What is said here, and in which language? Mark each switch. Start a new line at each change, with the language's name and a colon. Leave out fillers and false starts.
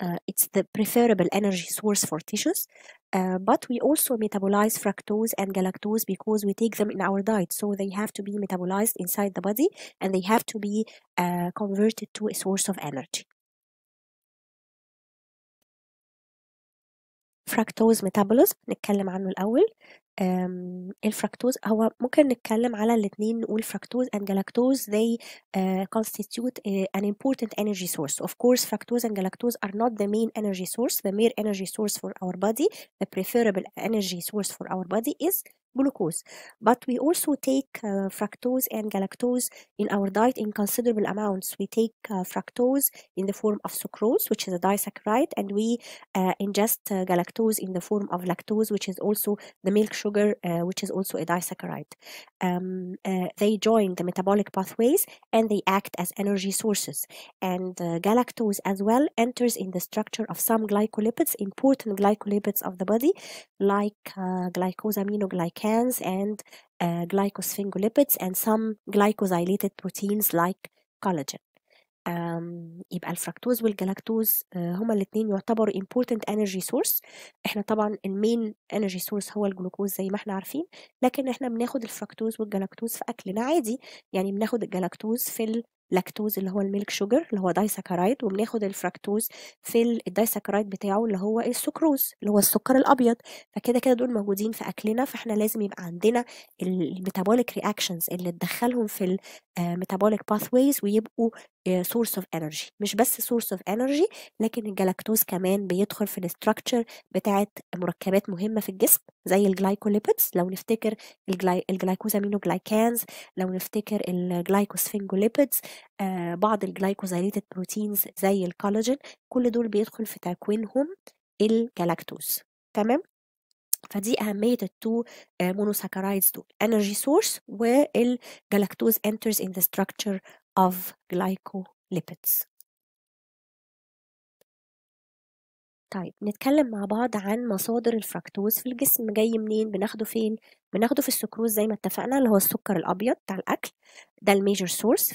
English: It's the preferable energy source for tissues, but we also metabolize fructose and galactose because we take them in our diet, so they have to be metabolized inside the body and they have to be converted to a source of energy. Fructose metabolism,
Arabic: نتكلم عنه الأول. الفركتوز هو ممكن نتكلم على الاثنين، نقول فركتوز
English: and galactose they constitute an important energy source. Of course, fructose and galactose are not the main energy source. The main energy source for our body, the preferable energy source for our body is glucose. But we also take fructose and galactose in our diet in considerable amounts. We take fructose in the form of sucrose, which is a disaccharide, and we ingest galactose in the form of lactose, which is also the milk sugar, which is also a disaccharide. They join the metabolic pathways and they act as energy sources. And galactose as well enters in the structure of some glycolipids, important glycolipids of the body, like glycosaminoglycans and glycosphingolipids and some glycosylated proteins like collagen.
Arabic: يبقى الفركتوز والجلاكتوز هما الاثنين يعتبروا
English: important energy source.
Arabic: احنا طبعا المين energy source هو الجلوكوز زي ما احنا عارفين، لكن احنا بناخد الفركتوز والجلاكتوز في اكلنا عادي، يعني بناخد الجلاكتوز في اللاكتوز اللي هو الميلك شوجر اللي هو دايساكرايد، وبناخد الفركتوز في الدايساكرايد بتاعه اللي هو السكروز اللي هو السكر الابيض. فكده كده دول موجودين في اكلنا، فاحنا لازم يبقى عندنا الميتابوليك رياكشنز اللي تدخلهم في الميتابوليك باثويز ويبقوا
English: source of energy.
Arabic: مش بس
English: source of energy،
Arabic: لكن الجلاكتوز كمان بيدخل في الستركتشر بتاعت مركبات مهمة في الجسم زي الجلايكوليبيدز، لو نفتكر الجلايكوزامينوجلايكانز، لو نفتكر الجلايكوسفينجوليبيدز، بعض الجلايكوزيليتد بروتينز زي الكولاجين، كل دول بيدخل في تكوينهم الجلاكتوز. تمام، فدي أهمية التو مونوساكرايدز دول، energy source والجلاكتوز
English: enters in the structure of glycolipids.
Arabic: طيب نتكلم مع بعض عن مصادر الفركتوز في الجسم، جاي منين، بناخده فين. بناخده في السكروز زي ما اتفقنا اللي هو السكر الأبيض بتاع الأكل، ده الميجر سورس.